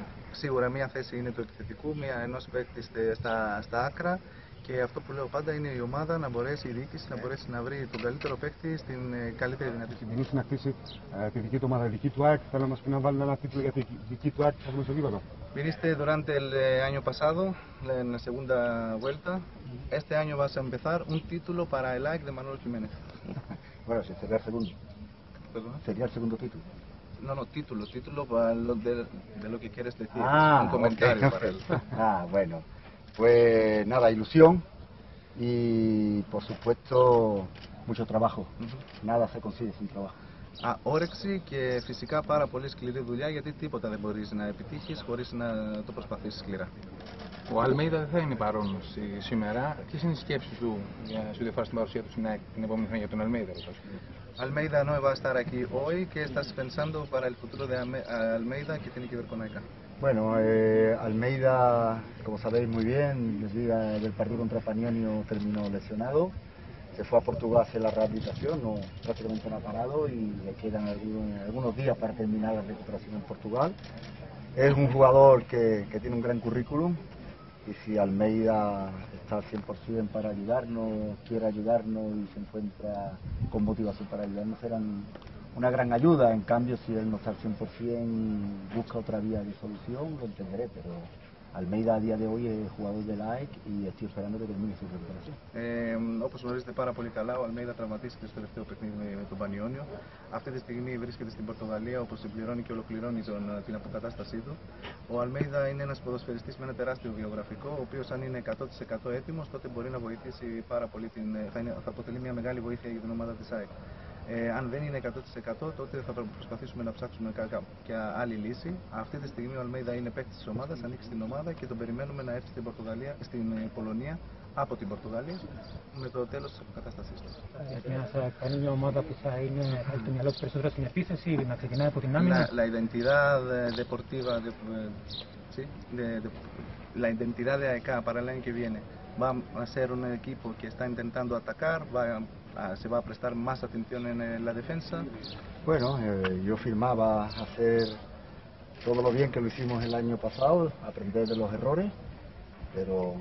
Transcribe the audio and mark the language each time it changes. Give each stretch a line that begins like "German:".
Greek: Σίγουρα μία θέση είναι του επιθετικού, μία ενός παίκτη στα άκρα. Και αυτό που λέω πάντα είναι η ομάδα να μπορέσει, η διοίκηση να μπορέσει να βρει τον καλύτερο παίκτη στην καλύτερη δυνατή στιγμή. Μιλήσει να χτίσει τη δική του ομάδα, δική του ΑΕΚ. Θέλω να μας πει να βάλει ένα τίτλο για τη δική του ΑΕΚ που θα βρούμε στο γήπεδο.
Spanish: Viniste durante el año pasado, en la segunda vuelta. Este año vas a empezar un título para el AEK de Manolo Jiménez. Bueno, sí, sería el segundo. ¿Perdón? Sería el segundo título. No, título para de lo que quieres decir. Ah, un comentario
English: okay.
Spanish: Para él. Ah, bueno. Pues nada, ilusión y por supuesto mucho trabajo. Nada se consigue sin trabajo.
Greek: Α, όρεξη και φυσικά πάρα πολύ σκληρή δουλειά, γιατί τίποτα δεν μπορείς να επιτύχεις χωρίς να το προσπαθήσεις σκληρά. Ο Αλμέιδα δεν θα είναι παρόν σήμερα. Ποιες είναι οι σκέψεις του σε διαφορά στην παρουσία του την επόμενη χρονιά για τον Αλμέιδα?
Spanish: Αλμέιδα, no va a estar aquí hoy. ¿Qué estás pensando para el futuro de Almeida que tiene que ver con AEK? Bueno, Almeida, como sabéis muy bien, desde el partido contra Panionio terminó lesionado. Se fue a Portugal a hacer la rehabilitación, no, prácticamente no ha parado y le quedan algunos días para terminar la recuperación en Portugal. Es un jugador que tiene un gran currículum y si Almeida está al 100% para ayudarnos, quiere ayudarnos y se encuentra con motivación para ayudarnos, serán una gran ayuda. En cambio, si él no está al 100% y busca otra vía de solución, lo entenderé, pero Almeida a día de hoy es jugador de AEK y estoy esperando que termine su recuperación.
Greek: Όπως γνωρίζετε πάρα πολύ καλά, ο Almeida τραυματίστηκε στο τελευταίο παιχνίδι με τον Πανιόνιο. Αυτή τη στιγμή βρίσκεται στην Πορτογαλία, όπου συμπληρώνει και ολοκληρώνει την αποκατάστασή του. Ο Almeida είναι ένας ποδοσφαιριστής με ένα τεράστιο βιογραφικό, ο οποίος αν είναι 100% έτοιμος, τότε μπορεί να βοηθήσει πάρα πολύ, θα αποτελεί μια μεγάλη βοήθεια για την ομάδα της AEK. Αν δεν είναι 100%, τότε θα προσπαθήσουμε να ψάξουμε κάποια άλλη λύση. Αυτή τη στιγμή ο Αλμέιδα είναι παίκτης της ομάδας, ανήκει στην ομάδα και τον περιμένουμε να έρθει στην Πολωνία από την Πορτογαλία με το τέλος της αποκατάστασής του. Είναι μια ομάδα που θα είναι στο μυαλό του περισσότερο στην επίθεση ή να ξεκινάει από την άμυνα?
Spanish: La identidad deportiva, sí, la identidad de AEK para el año que viene va a ser un equipo que está intentando atacar, se va a prestar más atención en la defensa. Bueno, yo firmaba hacer todo lo bien que lo hicimos el año pasado, aprender de los errores, pero